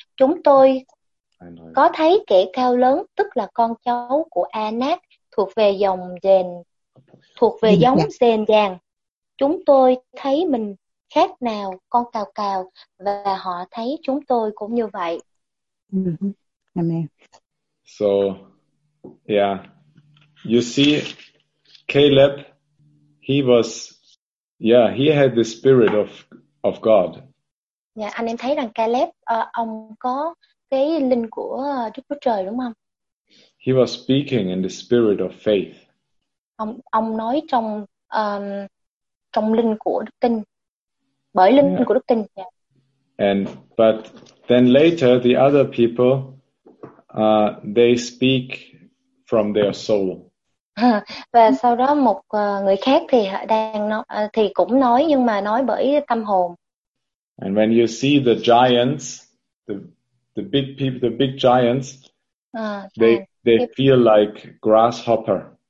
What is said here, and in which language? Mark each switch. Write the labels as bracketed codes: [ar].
[vi] Chúng tôi có thấy kẻ cao lớn, tức là con cháu của Anak, thuộc về giống dền dàng. Chúng tôi thấy mình khác nào con cào cào, và họ thấy chúng tôi cũng như vậy. [en] Mm-hmm. Amen. So, yeah. You see, Caleb, he had the spirit of God. [vi] Yeah, anh em thấy rằng Caleb, ông có cái linh của Đức Chúa Trời đúng không? [en] He was speaking in the spirit of faith. [vi] Ông nói trong trong linh của đức tin, bởi linh của đức tin. [en] Yeah. And but then later the other people, they speak from their soul. [vi] Và sau đó một người khác thì đang nói, thì cũng nói nhưng mà nói bởi tâm hồn. [en] And when you see the giants, the big people, the big giants, they feel like grasshopper.